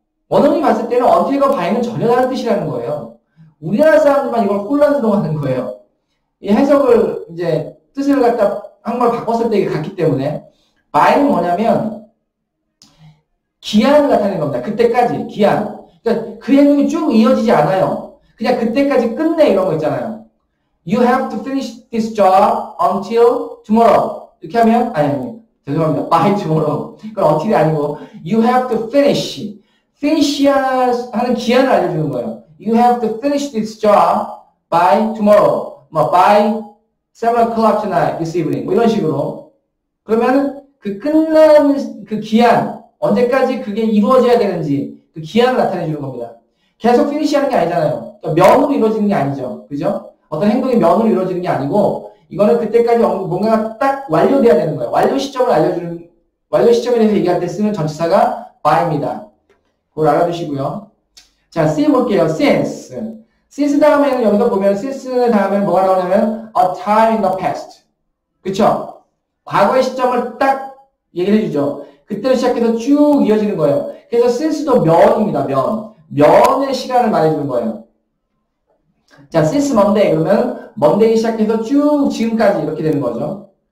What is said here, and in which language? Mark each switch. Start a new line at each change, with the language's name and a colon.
Korean: 원어민이 봤을 때는 until과 by는 전혀 다른 뜻이라는 거예요. 우리나라 사람들만 이걸 혼란스러워하는 거예요. 이 해석을 이제 뜻을 갖다 한걸 바꿨을 때 이게 같기 때문에 by는 뭐냐면 기한을 나타내는 겁니다. 그때까지 기한. 그 행동이 쭉 이어지지 않아요. 그냥 그때까지 끝내 이런 거 있잖아요.
English: You have to finish this job until tomorrow.
Korean: 이렇게 하면 아니 죄송합니다.
English: by tomorrow.
Korean: 그럼 until이 아니고
English: you have to finish.
Korean: finish 하는 기한을 알려주는 거예요.
English: you have to finish this job by tomorrow. 뭐 by 7 o'clock tonight this evening.
Korean: 뭐 이런 식으로. 그러면 그 끝나는 그 기한 언제까지 그게 이루어져야 되는지 그 기한을 나타내 주는 겁니다. 계속 finish 하는 게 아니잖아요. 그러니까 면으로 이루어지는 게 아니죠. 그죠? 어떤 행동이 면으로 이루어지는 게 아니고 이거는 그때까지 뭔가 딱 완료돼야 되는 거예요. 완료 시점을 알려주는, 완료 시점에 대해서 얘기할 때 쓰는 전치사가 by입니다. 그걸 알아두시고요. 자, see 볼게요. since. since 다음에는 여기서 보면, since 다음에는 뭐가 나오냐면,
English: a time in the past.
Korean: 그쵸? 과거의 시점을 딱 얘기를 해주죠. 그때로 시작해서 쭉 이어지는 거예요. 그래서 since도 면입니다, 면. 면의 시간을 말해주는 거예요. 자, since Monday, 그러면, Monday 시작해서 쭉 지금까지 이렇게 되는 거죠.